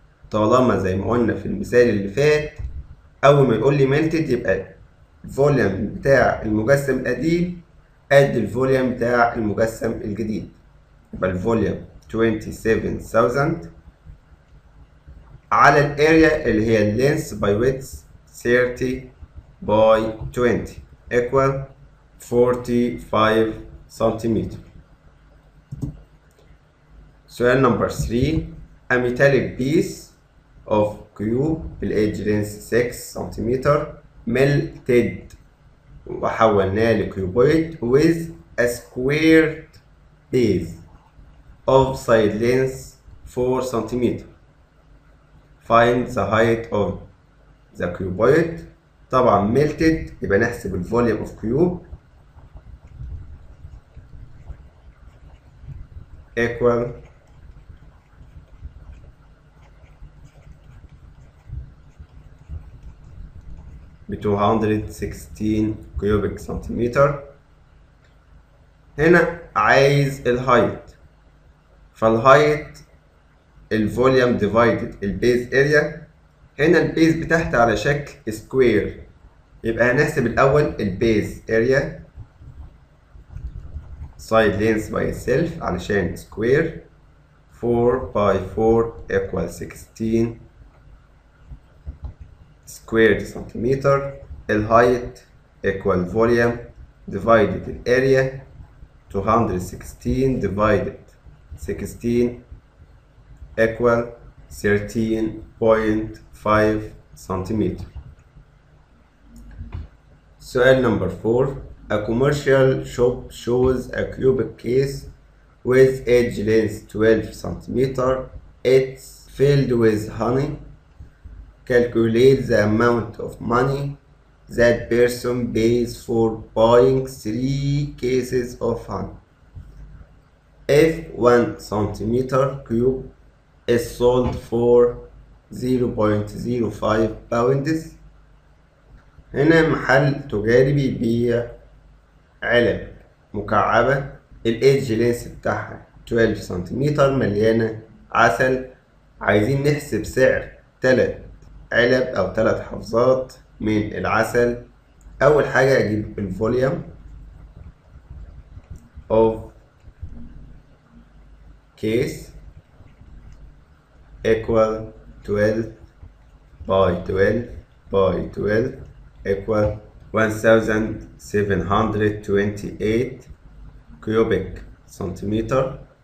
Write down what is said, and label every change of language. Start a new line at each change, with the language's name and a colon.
Arabic: طالما زي ما قلنا في المثال اللي فات، اول ما يقول لي melted يبقى الفوليوم بتاع المجسم القديم قد الفوليوم بتاع المجسم الجديد، يبقى الفوليوم 27,000 على الاريا اللي هي length by width 30 by 20 equal 45 سنتيمتر.
English: سؤال number 3: A metallic piece of cube بال edge length 6 سنتيمتر melted
Arabic: وحولناه لكيوبويد
English: with a squared base of side length 4 سنتيمتر. Find the height of the cuboid.
Arabic: طبعا melted يبقى نحسب ال
English: volume of cube equal
Arabic: ب 216 كيوبيك سنتيمتر. هنا عايز الهايت، فالهايت الفوليوم ديفايدد البيز اريا. هنا البيز بتاعت على شكل سكوير، يبقى هنحسب الاول البيز اريا سايد لينث باي سيلف علشان سكوير 4 باي 4 ايكوال 16 سكويرد سنتيمتر.
English: الهايت equal volume divided area 216 divided 16 equal 13.5 سنتيمتر.
Arabic: سؤال نمبر 4:
English: A commercial shop shows a cubic case with edge length 12 سنتيمتر. It's filled with honey. Calculate the amount of money that person pays for buying 3 cases of honey. If 1 centimeter cube is sold for 0.05 pounds,
Arabic: هنا محل تجاري بيبيع علب مكعبة الايدج لينس بتاعها 12 سنتيمتر مليانة عسل، عايزين نحسب سعر 3 علب او 3 حفظات من العسل. اول حاجة اجيب الفوليوم
English: of case equal 12 by 12 by 12 equal 1728 cubic centimeter.